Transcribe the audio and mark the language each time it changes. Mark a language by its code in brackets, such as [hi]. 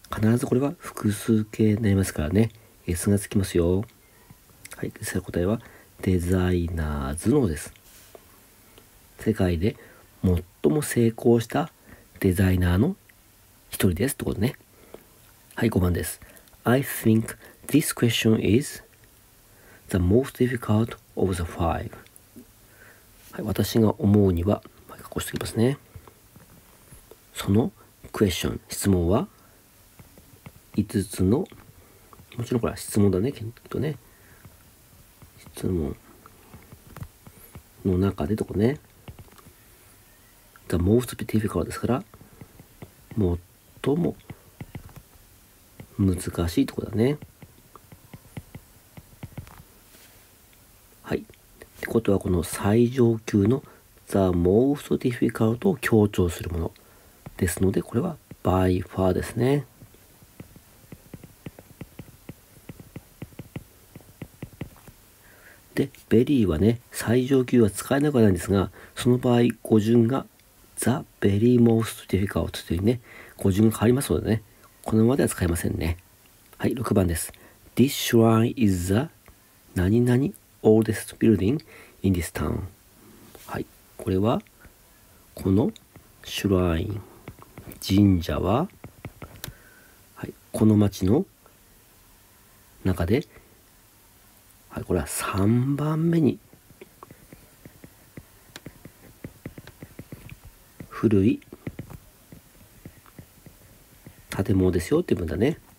[ja] 必ずこれは複数形になりますからね。S がつきますよ。はい、ですから答えはデザイナーズのです。世界で最も成功したデザイナーの一人ですってことね。はい、5番です。 [en] I think this question is the most difficult of the five。 [ja] はい、私が思うには、はい、書こうしておきますね。そのクエスチョン、質問は5つの、もちろんこれは質問だね、きっとね。質問の中でとかね。 [en] The most difficult [ja] ですから、最も難しいところだね。はい。ってことは、この最上級の [en] The most difficult [ja] を強調するものですので、これは [en] by far [ja] ですね。で、very はね、最上級は使えなくはないんですが、その場合、語順がザ・ベリー・モースト・ディフィカルトというね、語順が変わりますのでね、このままでは使えませんね。はい、6番です。 [en] This shrine is the [ja] 何々 [en] oldest building in this town。 [ja] はい、これは、このシュライン、神社は、はい、この町の中で、はい、これは3番目に、古い建物ですよっていう分だね。